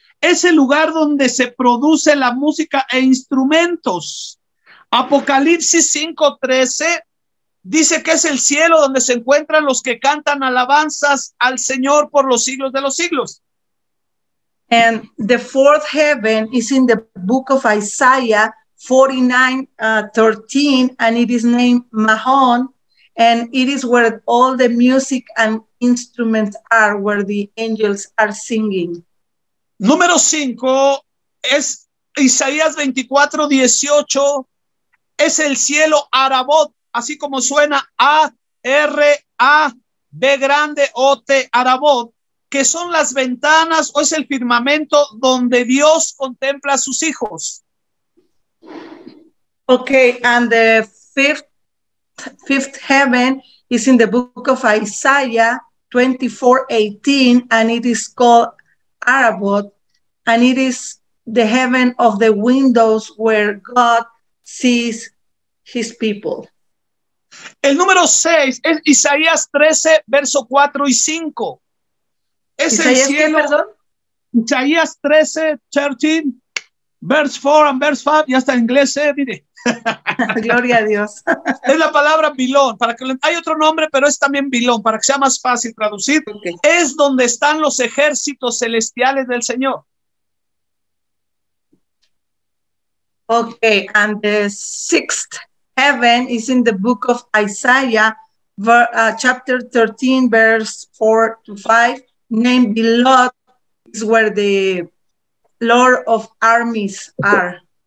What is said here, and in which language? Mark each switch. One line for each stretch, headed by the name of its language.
Spanish: Es el lugar donde se produce la música e instrumentos. Apocalipsis 5, 13 dice que es el cielo donde se encuentran los que cantan alabanzas al Señor por los siglos de los siglos.
English: And the fourth heaven is in the book of Isaiah 49:13, and it is named Mahon, and it is where all the music and instruments are, where the angels are singing.
Spanish: Número 5 es Isaías 24:18, es el cielo Arabot, así como suena A-R-A-B-O-T, Arabot. Que son las ventanas o es el firmamento donde Dios contempla a sus hijos.
English: Okay, and the fifth heaven is in the book of Isaiah 24:18, and it is called Arabot, and it is the heaven of the windows where God sees his people.
Spanish: El número 6 es Isaías 13, verso 4 y 5. Es el cielo, Isaías 13, 13,
English: verse 4 and verse 5,
Spanish: ya está en inglés, mire. Gloria a Dios. Es la palabra Bilón, hay otro nombre, pero es también Bilón, para que sea más fácil traducir. Okay. Es donde están los ejércitos celestiales del Señor.
English: Okay, and the sixth heaven is in the book of Isaiah, chapter 13, verse 4 to 5. Named Bilot is where the Lord of Armies are.